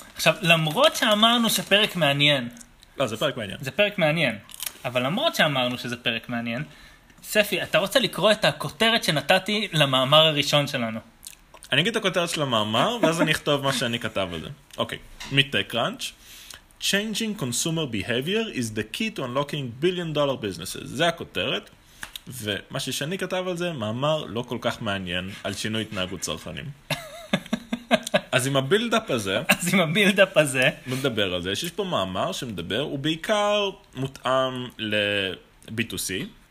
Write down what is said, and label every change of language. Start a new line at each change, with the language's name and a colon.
Hebrew: עכשיו, למרות שאמרנו שפרק מעניין. לא, זה פרק מעניין. זה פרק מעניין. אבל למרות שאמרנו שזה פרק מעניין, ספי, אתה רוצה לקרוא את הכותרת שנתתי למאמר הראשון שלנו? אני אגיד את הכותרת של המאמר, ואז אני אכתוב מה שאני כתב על זה. אוקיי. מ-TechCrunch.
English: Changing consumer behavior is the key to unlocking billion dollar businesses.
Hebrew: זה הכותרת. ומה ששני כתב על זה, מאמר לא כל כך מעניין על שינוי התנהגות צרכנים. אז עם הבילדאפ הזה, נדבר על זה. יש פה מאמר שמדבר, הוא בעיקר מותאם ל-B2C.